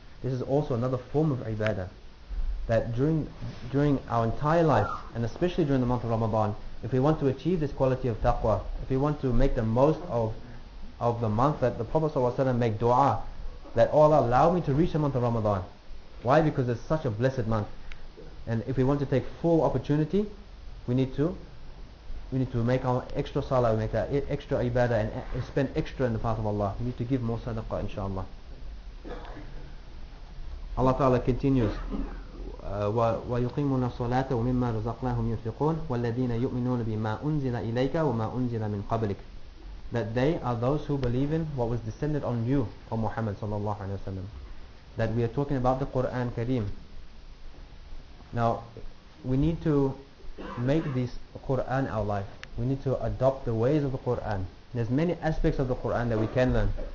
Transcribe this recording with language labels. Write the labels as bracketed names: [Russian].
[English] This is also another form of ibadah. That during our entire life, and especially during the month of Ramadan, if we want to achieve this quality of taqwa, if we want to make the most of the month that the Prophet sallallahu alaihi wasallam made dua, that oh Allah allow me to reach the month of Ramadan. Why? Because it's such a blessed month. And if we want to take full opportunity, we need to make our extra salah, make that extra ibadah, and spend extra in the path of Allah. We need to give more sadaqah, inshaAllah. Allah Ta'ala continues, [Arabic] وَيُقِيمُونَ الصَّلَاةَ وَمِمَّا رَزَقْنَاهُمْ يُنْفِقُونَ وَالَّذِينَ يُؤْمِنُونَ بِمَا أُنْزِلَ إِلَيْكَ وَمَا أُنْزِلَ مِنْ قَبْلِكَ. [English] That they are those who believe in what was descended on you, O Muhammad sallallahu alayhi wa sallam. That we are talking about the Qur'an Kareem. Now, we need to make this Qur'an our life. We need to adopt the ways of the Qur'an. There's many aspects of the Qur'an that we can learn.